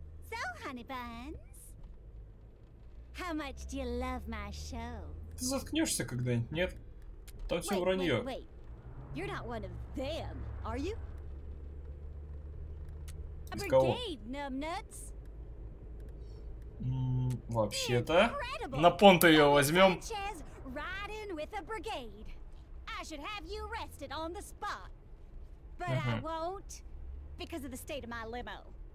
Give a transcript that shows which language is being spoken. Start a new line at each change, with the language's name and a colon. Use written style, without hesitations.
English: So, honey buns, how much do you love my show?
Russian: Ты заткнешься когда-нибудь, нет? Там все вранье.
English: Wait, wait. You're not one of them, are you? A brigade, numbnuts.
Russian: Вообще-то, на понт ее возьмем.
English: Riding with a brigade. I should have you rested on the spot. But I won't, because of the state of my limo.